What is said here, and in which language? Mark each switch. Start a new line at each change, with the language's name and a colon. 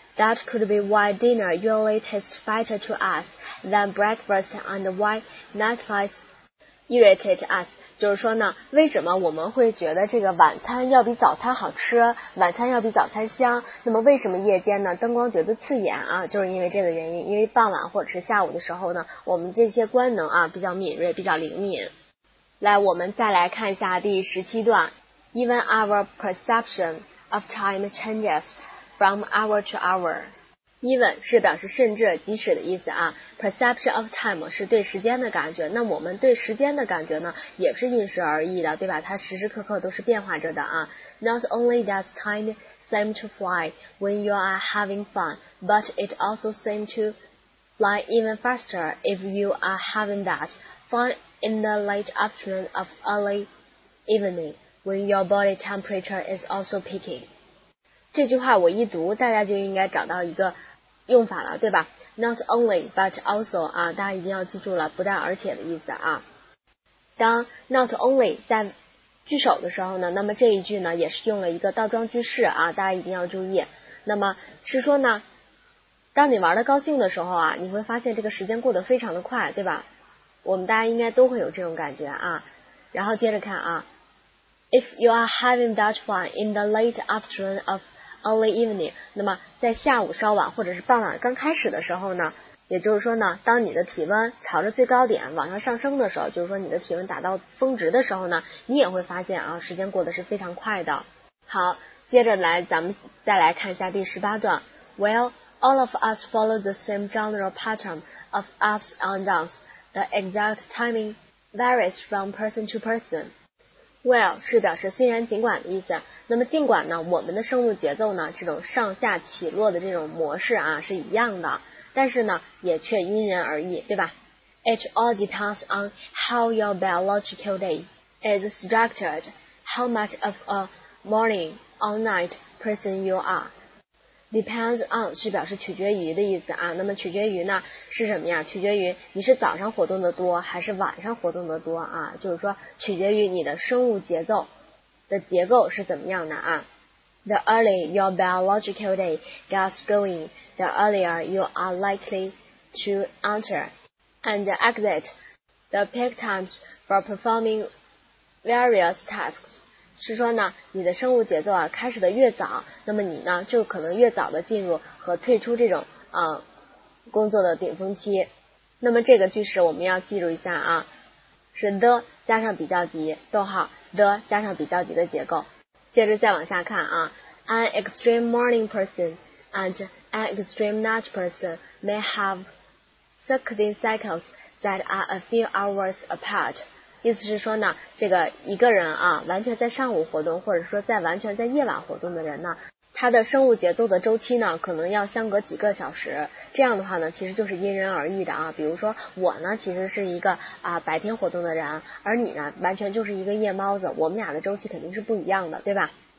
English: That could be why dinner usually tastes better to us than breakfast and why nightlife irritates us。
Chinese: 就是说呢，为什么我们会觉得这个晚餐要比早餐好吃，晚餐要比早餐香，那么为什么夜间呢灯光觉得刺眼啊，就是因为这个原因，因为傍晚或者是下午的时候呢，我们这些官能啊比较敏锐，比较灵敏。来，我们再来看一下第十七段。
English: Even our perception of time changes from hour to hour。
Chinese: Even 是表示甚至、即使的意思啊。Perception of time 是对时间的感觉，那我们对时间的感觉呢，也是因时而异的，对吧？它时时刻刻都是变化着的啊。
English: Not only does time seem to fly when you are having fun, but it also seems to fly even faster if you are having that fun in the late afternoon of early evening when your body temperature is also peaking.
Chinese: 这句话我一读，大家就应该找到一个用法了，对吧？ Not only, but also 啊，大家一定要记住了，不但而且的意思啊。当 not only 在句首的时候呢，那么这一句呢也是用了一个倒装句式啊，大家一定要注意。那么是说呢，当你玩得高兴的时候啊，你会发现这个时间过得非常的快，对吧？我们大家应该都会有这种感觉啊。然后接着看啊。
English: If you are having that fun in the late afternoon of early evening，
Chinese: 那么在下午稍晚或者是傍晚刚开始的时候呢，也就是说呢，当你的体温朝着最高点往上上升的时候，就是说你的体温达到峰值的时候呢，你也会发现啊，时间过得是非常快的。好，接着来咱们再来看一下第十八段。
English: Well, all of us follow the same general pattern of ups and downs. The exact timing varies from person to person.
Chinese: Well 是表示虽然尽管的意思，那么尽管呢，我们的生物节奏呢，这种上下起落的这种模式啊是一样的，但是呢也却因人而异，对吧？
English: It all depends on how your biological day is structured, how much of a morning or night person you are.
Chinese: Depends on 是表示取决于的意思啊，那么取决于呢是什么呀？取决于你是早上活动的多还是晚上活动的多啊，就是说取决于你的生物节奏的结构是怎么样的啊。
English: The earlier your biological day gets going, the earlier you are likely to enter and exit the peak times for performing various tasks.
Chinese: 是说呢，你的生物节奏啊开始的越早，那么你呢就可能越早的进入和退出这种工作的顶峰期。那么这个句式我们要记住一下啊，是 the 加上比较级逗号 the 加上比较级的结构。接着再往下看啊，
English: An extreme morning person and an extreme night person may have circadian cycles that are a few hours apart.
Chinese: 意思是说呢，这个一个人啊完全在上午活动或者说在完全在夜晚活动的人呢，它的生物节奏的周期呢可能要相隔几个小时，这样的话呢其实就是因人而异的啊。比如说我呢其实是一个白天活动的人，而你呢完全就是一个夜猫子，我们俩的周期肯定是不一样的，对吧？